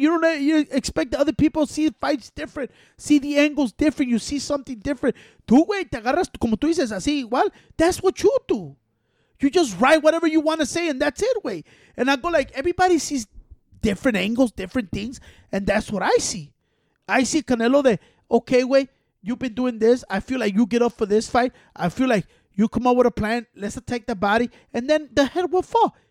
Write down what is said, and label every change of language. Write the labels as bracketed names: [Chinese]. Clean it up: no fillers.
[English] You expect other people to see fights different, see the angles different, you see something different. [Spanish] Tú, güey, te agarras, como tú dices, así igual. [English] That's what you do. You just write whatever you want to say, and that's it, güey. And I go like, everybody sees different angles, different things, and that's what I see. I see Canelo that, okay, güey, you've been doing this. I feel like you get up for this fight. I feel like you come up with a plan. Let's attack the body, and then the head will fall.